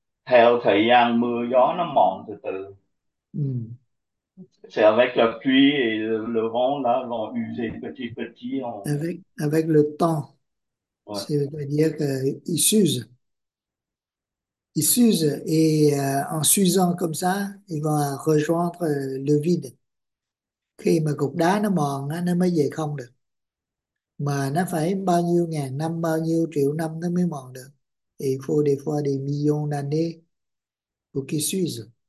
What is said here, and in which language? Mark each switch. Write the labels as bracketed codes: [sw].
[vi] Theo thời gian mưa gió nó mòn từ từ. [fr] C'est avec la pluie et le vent là l'ont usé petit petit en. Avec le temps, c'est-à-dire qu'il s'use. Il s'use et en s'usant comme ça, il va rejoindre le vide. [vi] Khi mà cục đá nó mòn, nó mới về không được. Mà nó phải bao nhiêu ngàn năm, bao nhiêu triệu năm nó mới mòn được. [fr] Il faut des fois des millions d'années pour qu'il s'use.